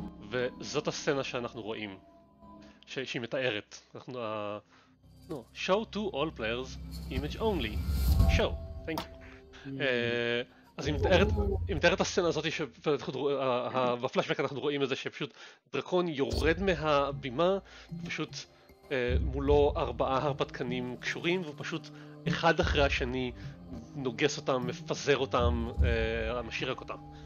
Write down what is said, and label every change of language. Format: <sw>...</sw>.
<he>וזאת הסצנה שאנחנו רואים. שהיא מתארת. אנחנו</he> <en>no, show to all players, image only. show, thank you.</en> <he>אז היא מתארת את הסצנה הזאת שבפלשבק אנחנו רואים את זה, שפשוט דרקון יורד מהבימה, פשוט מולו ארבעה הרפתקנים קשורים, והוא פשוט אחד אחרי השני נוגס אותם, מפזר אותם, משאיר רק אותם.</he>